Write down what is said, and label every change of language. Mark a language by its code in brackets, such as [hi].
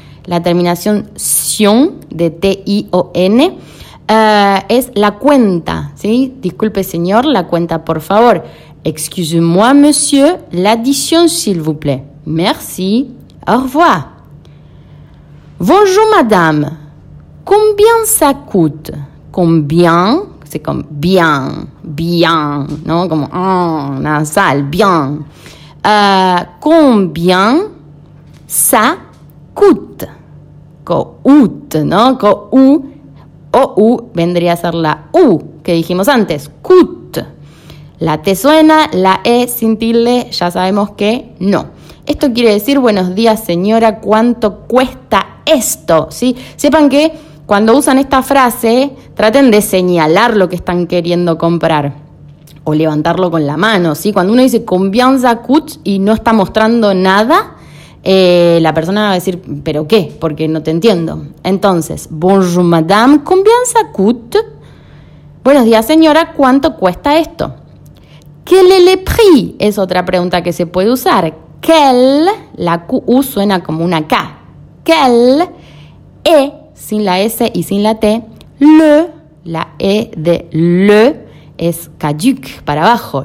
[es] La terminación sion, de T-I-O-N. Es la cuenta, ¿sí? Disculpe, señor, la cuenta, por favor. [fr] Excusez-moi, monsieur, l'addition, s'il vous plaît. Merci. Au revoir. Bonjour, madame. Combien ça coûte? Combien? C'est comme bien, bien, ¿no? [es] Como nasal, [fr] bien. Combien ça coûte? Coûte, ¿no? Coûte. [es] OU vendría a ser la U que dijimos antes, cut. La T suena, la E sin tilde, ya sabemos que no. Esto quiere decir, buenos días, señora, ¿cuánto cuesta esto? ¿Sí? Sepan que cuando usan esta frase, traten de señalar lo que están queriendo comprar o levantarlo con la mano. ¿Sí? Cuando uno dice [fr] combien ça coûte [es] y no está mostrando nada, la persona va a decir, ¿pero qué? Porque no te entiendo. [fr] Entonces, bonjour madame, combien ça coûte? [es] Buenos días, señora, ¿cuánto cuesta esto? [fr] Quel est le prix? [es] Es otra pregunta que se puede usar. Quel, la Q suena como una K. Quel, E, sin la S y sin la T. Le, la E de le, es caduc, para abajo.